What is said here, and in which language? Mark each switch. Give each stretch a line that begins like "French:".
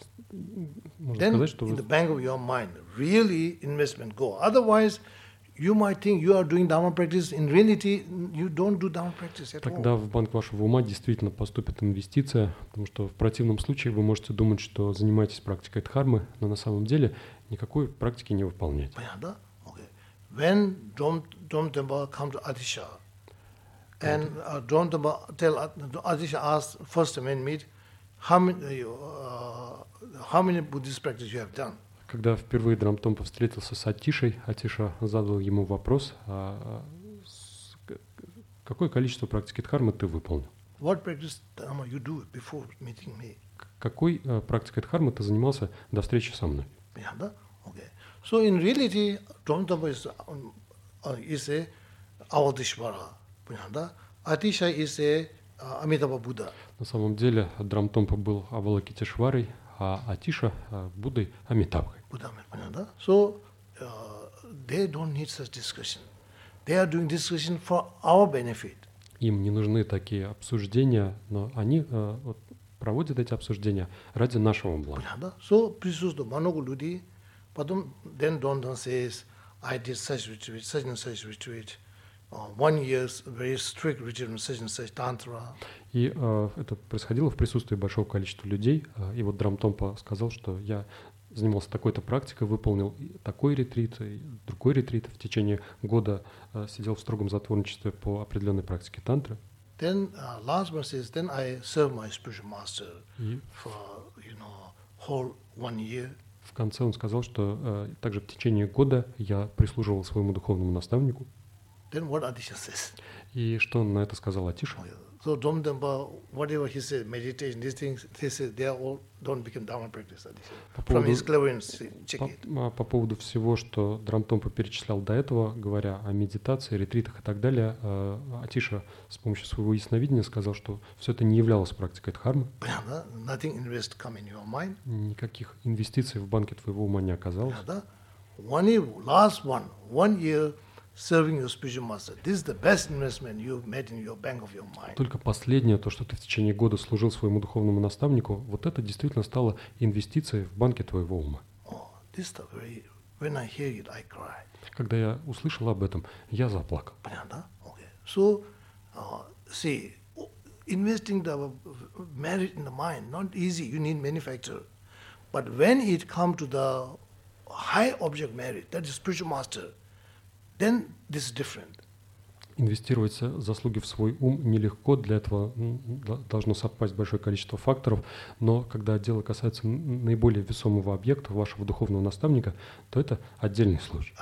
English: In the bank of your mind, really investment go. Otherwise, you might think you are doing dharma practice. In reality, you don't do dharma practice at all.
Russian: Тогда в банк вашего ума действительно поступит инвестиция, потому что в противном случае вы можете думать, что занимаетесь практикой дхармы, но на самом деле никакой практики не выполняете. Понятно?
English: Okay. When Dom Tempa come to Adisha, and Dom Tempa tell Adisha ask first when meet. How many Buddhist practice you have done?
Russian: Когда впервые Дром Томпа встретился с Атишей, Атиша задал ему вопрос: какое количество практики дхармы ты выполнил?
English: What practice dharma you do before meeting me?
Russian: Какой практикой дхармы ты занимался до встречи со мной?
English: Yeah, да? Okay. So in reality, Dhamma Tempa is a Avadishvara.
Russian: Понятно?
English: Атиша is a Амитабха Будда.
Russian: На самом деле Дром Томпа был Авалокитешварой, а Атиша Буддой Амитабхой.
English: Будда,
Russian: понятно, да?
English: So they don't need such discussion. They are doing discussion for our benefit.
Russian: Им не нужны такие обсуждения, но они вот, проводят эти обсуждения ради нашего блага. Понятно, да?
English: So
Russian: присутствует много людей, потом
English: then don't say I did such retreat, such and such retreat. One year very strict retreat, such and such tantra.
Russian: И это происходило в присутствии большого количества людей. И вот Дром Томпа сказал, что я занимался такой-то практикой, выполнил такой ретрит, другой ретрит в течение года, сидел в строгом затворничестве по определенной практике тантры.
English: Then last one says, then I serve my spiritual master for you know whole one year.
Russian: В конце он сказал, что также в течение года я прислуживал своему духовному наставнику.
English: Then what Atisha says?
Russian: И что он на это сказал Атиша?
English: So Dom Tempa, whatever he said, meditation, these things, he said, they all don't become dharma practice. From his cleverness, check it.
Russian: По поводу всего, что Дром Томпа перечислял до этого, говоря о медитации, ретритах и так далее, Атиша с помощью своего ясновидения сказал, что все это не являлось практикой дхармы. Понятно?
English: Nothing invest come in your mind.
Russian: Никаких инвестиций в банке твоего ума не оказалось. Понятно?
English: One year. Serving your spiritual master. This is the best investment you've made in your bank of your mind.
Russian: Только последнее, то, что ты в течение года служил своему духовному наставнику, вот это действительно стало инвестицией в банке твоего ума.
English: Oh, this is the very, when I hear it, I cry.
Russian: Когда я услышал об этом, я заплакал. Понятно, да? Okay.
English: So, see, investing the merit in the mind, not easy, you need many factors. But when it comes to the high object merit, that is spiritual master, then this is different.
Russian: Инвестировать заслуги в свой ум нелегко, для этого должно совпасть большое количество факторов, но когда дело касается наиболее весомого объекта вашего духовного наставника, то это отдельный случай.